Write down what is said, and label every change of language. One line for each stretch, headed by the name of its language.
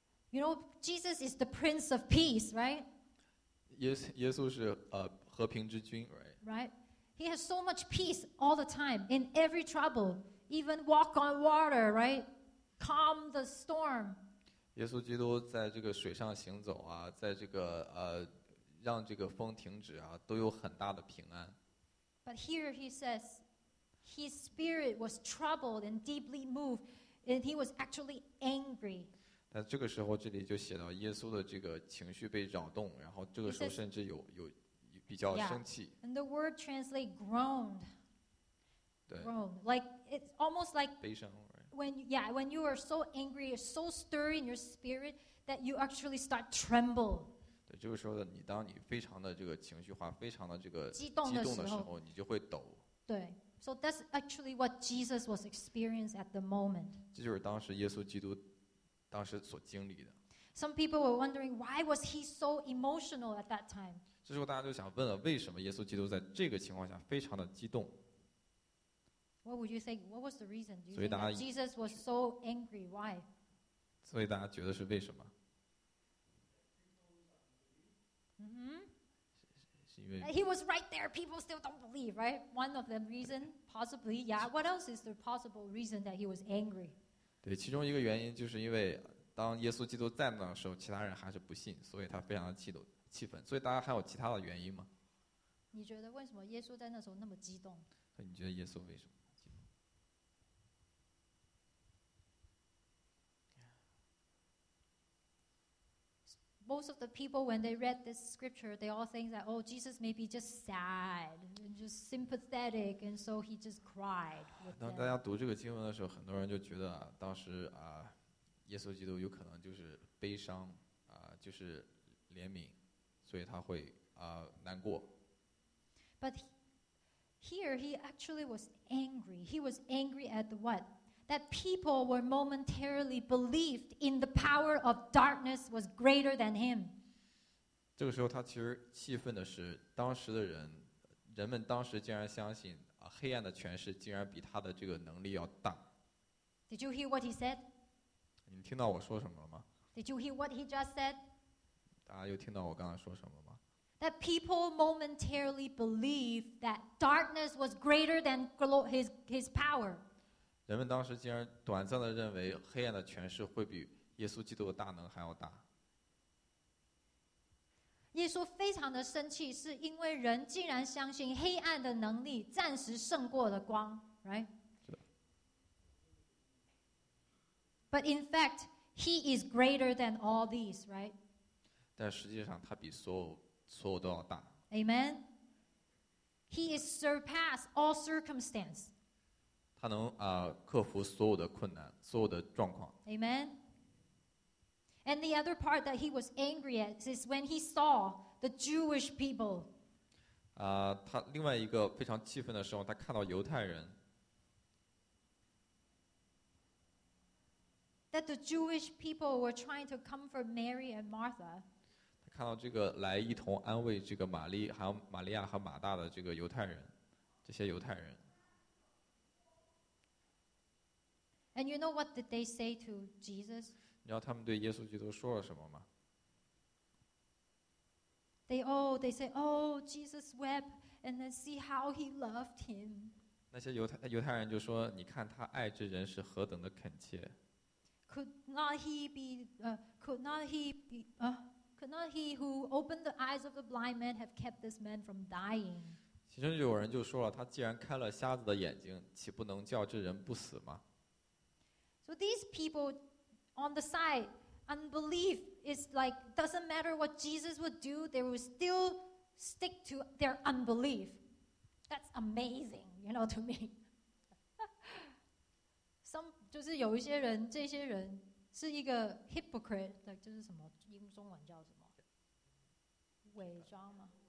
English: You know, Jesus is the Prince of Peace, right? Yes,
Chinese: 是和平之君
English: right? Right? He has so much peace all the time, in every trouble, even walk on water, right? Calm the storm.
Chinese: 耶稣基督在这个水上行走啊，在这个让这个风停止啊，都有很大的平安。
English: But here he says, his spirit was troubled and deeply moved, and he was actually angry.
Chinese: 但这个时候，这里就写到耶稣的这个情绪被扰动，然后这个时候甚至有比较生气。
English: Yeah. And the word translate groaned.
Chinese: 对。
English: Groaned, like it's almost like
Chinese: 悲伤。
English: When you are so angry, you're so stirred in your spirit that you actually start tremble.
Chinese: 对，这个时候的你，当你非常的这个情绪化，非常的这个激动的时候，你就会抖。对
English: ，so that's actually what Jesus was experiencing at the moment.
Chinese: 这就是当时耶稣基督当时所经历的。
English: Some people were wondering why was he so emotional at that time.
Chinese: 这时候大家就想问了，为什么耶稣基督在这个情况下非常的激动？
English: What would you think? What was the reason? Do you think that Jesus was so angry? Why?
Chinese: 所以大家觉得是为什么？嗯哼，是因为
English: he was right there. People still don't believe, right? One of the reason, possibly, yeah. What else is the possible reason that he was angry?
Chinese: 对，其中一个原因就是因为当耶稣基督在那的时候，其他人还是不信，所以他非常的气愤。所以大家还有其他的原因吗？你觉得为什么耶稣在那时候那么激动？你觉得耶稣为什么？
English: Most of the people, when they read this scripture, they all think that, oh, Jesus may be just sad and just sympathetic, and so he just cried.
Chinese: 当大家读这个经文的时候，很多人就觉得当时啊，耶稣基督有可能就是悲伤啊，就是怜悯，所以他会啊难过。
English: But here he actually was angry. He was angry at what? That people were momentarily believed in the power of darkness was greater than him.
Chinese: 这个时候，他其实气愤的是，当时的人们当时竟然相信啊，黑暗的权势竟然比他的这个能力要大。
English: Did you hear what he said?
Chinese: 你听到我说什么了吗
English: ？Did you hear what he just said?
Chinese: 大家又听到我刚刚说什么吗
English: ？That people momentarily believed that darkness was greater than his power.
Chinese: 人们当时竟然短暂地认为黑暗的权势会比耶稣基督的大能还要大。耶稣非常的生气，是因为人竟然相信黑暗的能力暂时胜过了光 ，
English: right？
Chinese: 是的。
English: But in fact, he is greater than all these, right？
Chinese: 但实际上，他比所有都要大。
English: Amen. He is surpassed all circumstance.
Chinese: 他能克服所有的困难，所有的状况。
English: Amen. And the other part that he was angry at is when he saw the Jewish people.
Chinese: 他另外一个非常气愤的时候，他看到犹太人。
English: That the Jewish people were trying to comfort Mary and Martha.
Chinese: 他看到这个来一同安慰这个玛丽还有玛利亚和马大的这个犹太人，这些犹太人。
English: And you know what did they say to Jesus?
Chinese: 你知道他们对耶稣基督说了什么吗
English: ？They say, oh, Jesus wept, and then see how he loved him.
Chinese: 那些犹太人就说，你看他爱这人是何等的恳切。
English: Could not he who opened the eyes of the blind man have kept this man from dying?
Chinese: 其中有人就说了，他既然开了瞎子的眼睛，岂不能叫这人不死吗？
English: So these people on the side, unbelief is like, doesn't matter what Jesus would do, they will still stick to their unbelief. That's amazing, you know, to me. Some,
Chinese: 就是有一些人，这些人是一个
English: hypocrite, like,
Chinese: 就是什么英中文叫什么？伪装吗？